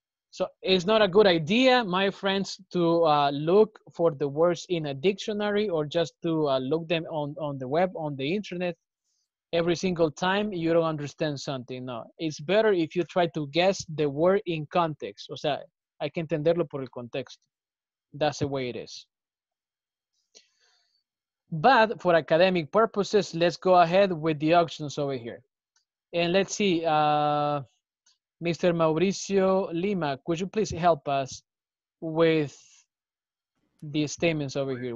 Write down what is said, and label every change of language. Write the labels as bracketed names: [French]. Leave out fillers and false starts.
[English] So it's not a good idea, my friends, to look for the words in a dictionary or just to look them on the web, on the internet. Every single time you don't understand something. No, it's better if you try to guess the word in context. [Spanish] O sea, hay que entenderlo por el contexto. [English] That's the way it is. But for academic purposes, let's go ahead with the options over here. And let's see, Mr. Mauricio Lima, could you please help us with the statements over here?